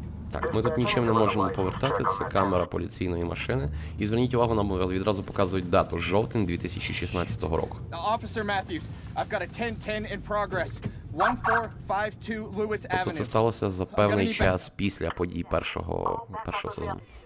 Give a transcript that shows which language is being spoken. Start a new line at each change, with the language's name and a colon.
Ukrainian: Так, ми тут нічим не можемо повертати, це камера поліційної машини. І зверніть увагу, нам відразу показують дату, жовтень 2016 року.
English: Officer Matthews, I've got a 10-10 in progress. 1452 Lewis Avenue.
Ukrainian: Тобто це сталося за певний час після подій першого сезону.